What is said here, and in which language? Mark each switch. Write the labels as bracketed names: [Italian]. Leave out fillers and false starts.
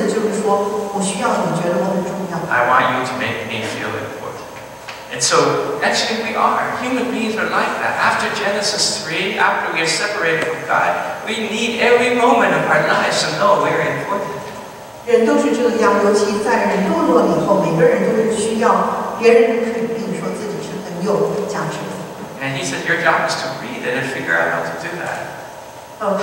[Chinese] 他说你怎么样能够做一个开一个成功的餐馆呢？他就是说你开餐馆的人要记得每一个顾客都穿着一件衣服，上面有几个你看不见的字，就是说我需要，你觉得我很重要。 [English] I want you to make me feel important. And so actually we are, human beings are like that. After Genesis 3, after we are separated from God, we need every moment of our lives to know we are important. [Chinese] 人都是这样，尤其在人堕落以后，每个人都是需要别人肯定，说自己是很有价值的。 [English] And he said, your job is to read and figure out how to do that.